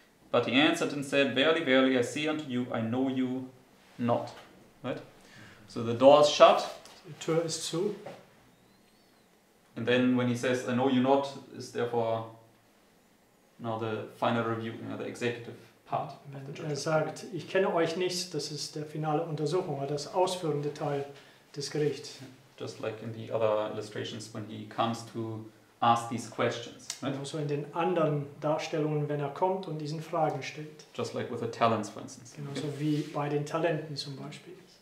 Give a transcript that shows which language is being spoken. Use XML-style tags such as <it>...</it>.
<en>But he answered and said, Verily, verily, I say unto you, I know you not." Right? So the door is shut.</en> <de>The Tür ist zu.</de> <en>And then when he says, "I know you not," is therefore now the final review, you know, the executive part.</en> <de>Wenn er sagt, "Ich kenne euch nicht," das ist der finale Untersuchung, oder das ausführende Teil des Gerichts.</de> <en>Just like in the other illustrations, when he comes to ask these questions. Right?</en> <de>So in den anderen Darstellungen, wenn er kommt und diesen Fragen stellt.</de> <en>Just like with the talents, for instance.</en> <de>Genau so wie bei den Talenten zum Beispiel.</de>